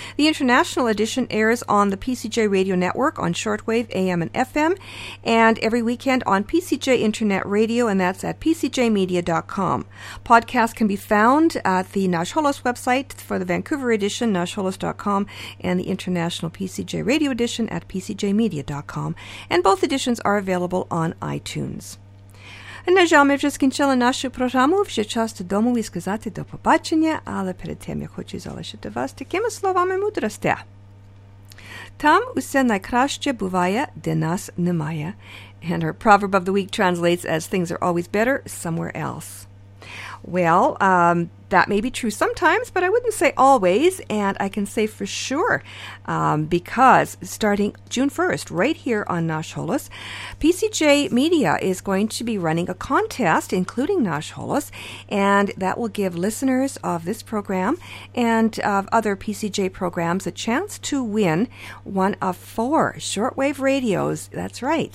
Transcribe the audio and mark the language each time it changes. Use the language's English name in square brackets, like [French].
[English] The international edition airs on the PCJ Radio Network on shortwave AM and FM and every weekend on PCJ Internet Radio, and that's at pcjmedia.com. Podcasts can be found at the Nash Holos website for the Vancouver edition, nashholos.com, and the international PCJ Radio edition at pcjmedia.com. And both editions are available on iTunes. [Ukrainian] А на жаль, ми вже скінчили нашу програму. Вже час додому і сказати до побачення, але перед тим я хочу залишити вас такими словами мудрості. Там усе найкраще буває, де нас немає. [English] And our proverb of the week translates as things are always better somewhere else. Well, that may be true sometimes, but I wouldn't say always, and I can say for sure, because starting June 1st, right here on Nash Holos, PCJ Media is going to be running a contest, including Nash Holos, and that will give listeners of this program and of other PCJ programs a chance to win one of four shortwave radios. That's right.